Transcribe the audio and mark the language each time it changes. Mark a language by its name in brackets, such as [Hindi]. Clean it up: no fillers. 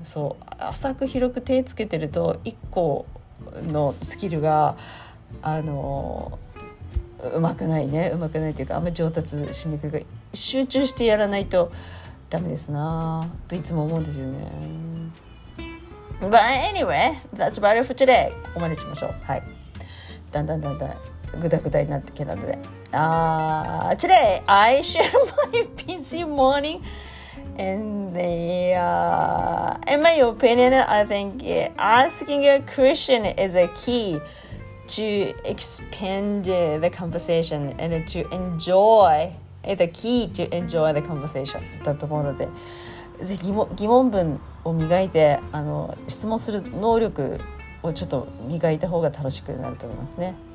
[Japanese] そう、浅く広く手つけてると一個のスキルがうまくないね、うまくないというか、あんまり上達しにくいから、集中してやらないとダメですなといつも思うんですよね。 [English] But anyway, that's about it for today. [Japanese] ここまでしましょう。はい、だんだんだんだんグダグダになってきたので、 [English] Today I share my busy morning and in my opinion, I think asking a question is a key to expand the conversation and to enjoy the key to enjoy the conversation [Japanese] だと思うので、ぜひ疑問文を磨いて、あの質問する能力をちょっと磨いた方が楽しくなると思いますね。